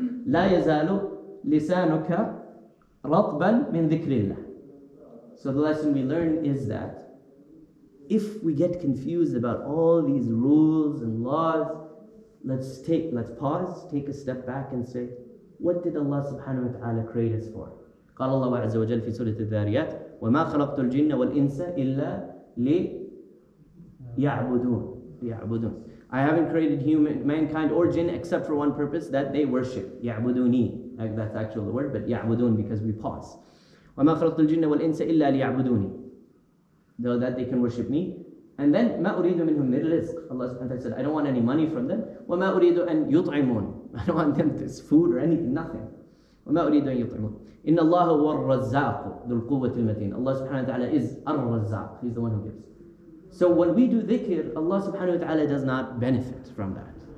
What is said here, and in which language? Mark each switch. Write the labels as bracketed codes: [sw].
[ar] La yazalu lisanuka ratban min dhikrillah. [en] So the lesson we learn is that if we get confused about all these rules and laws, let's pause, take a step back and say, what did Allah subhanahu wa ta'ala create us for? [ar] قال الله عز وجل في سورة الذاريات وما خلقت الجن والإنس إلا ليعبدون. [en] I haven't created mankind or jinn except for one purpose, that they worship. يعبدوني. Like that's actual the word, but يعبدون because we pause. [ar] وما خلقت الجن والإنس إلا ليعبدوني. [en] Though that they can worship me. And then [ar] ما أريد منهم من رزق. [en] Allah subhanahu wa ta'ala said, I don't want any money from them. [ar] وما أريد أن يطعمون. [en] I don't want them to food or anything, nothing. [ar] وَمَا أُرِيدُ أَنْ يُطْعِمُونَ إِنَّ اللَّهَ هُوَ الرَّزَّاقُ ذُو الْقُوَّةِ الْمَتِينَ. [en] Allah subhanahu wa ta'ala is الرَّزَّاقُ. He's the one who gives. So when we do dhikr, Allah subhanahu wa ta'ala does not benefit from that.